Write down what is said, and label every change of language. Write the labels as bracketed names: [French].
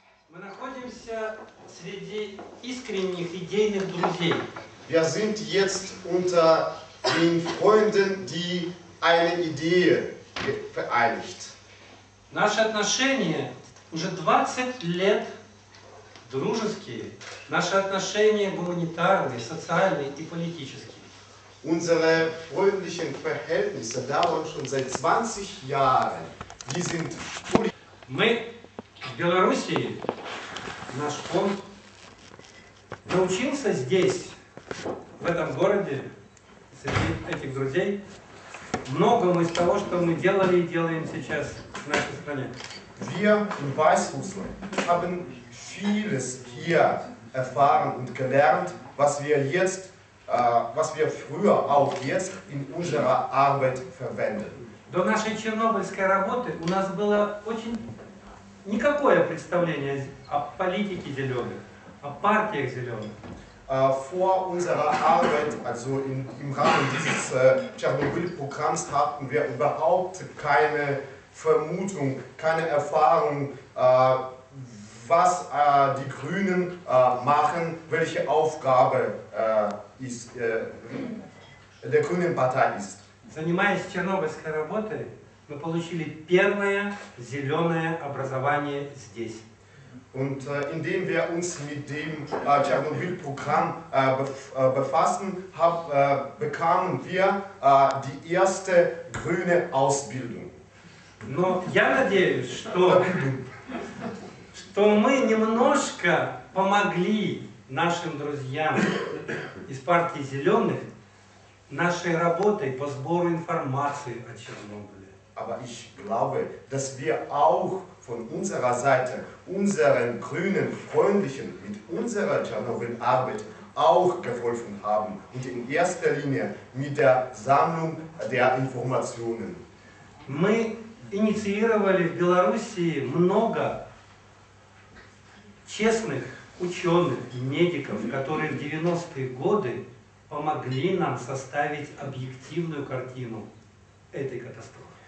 [Russian] Мы находимся среди искренних идейных друзей. [German] Wir sind jetzt unter den Freunden, die eine Idee vereinigt. [Russian] Наши отношения уже 20 лет дружеские. Наши отношения гуманитарные, социальные и политические. [German] Unsere freundlichen Verhältnisse dauern schon seit 20 Jahren. Wir sind [Russian] Мы в Белоруссии, наш фонд, научился здесь, в этом городе, среди этих друзей, многому из того, что мы делали и делаем сейчас в нашей стране. [German] Wir in Weißrussland haben vieles hier erfahren und gelernt, was wir jetzt, was wir früher auch jetzt in unserer Arbeit verwenden. [Russian] До нашей чернобыльской работы у нас было очень никакое представление о политике зеленых, о партиях зеленых. [German] Vor unserer Arbeit, also im Rahmen dieses Tschernobyl-Programms, hatten wir überhaupt keine Vermutung, keine Erfahrung, was die Grünen machen, welche Aufgabe der Grünen Partei ist. [Russian] Занимаясь чернобыльской работой, мы получили первое зеленое образование здесь. [German] Und indem wir uns mit dem Tschernobyl-Programm befassen, bekamen wir die erste grüne Ausbildung. [Russian] Но я надеюсь, что мы немножко помогли нашим друзьям из партии «Зеленых» нашей работой по сбору информации о Чернобыле. [German] Aber ich glaube, dass wir auch von unserer Seite unseren grünen Freundlichen mit unserer Tschernobyl-Arbeit auch geholfen haben und in erster Linie mit der Sammlung der Informationen. [Russian] Мы инициировали в Белоруссии много честных ученых и медиков, которые в 90-е годы помогли нам составить объективную картину этой катастрофы.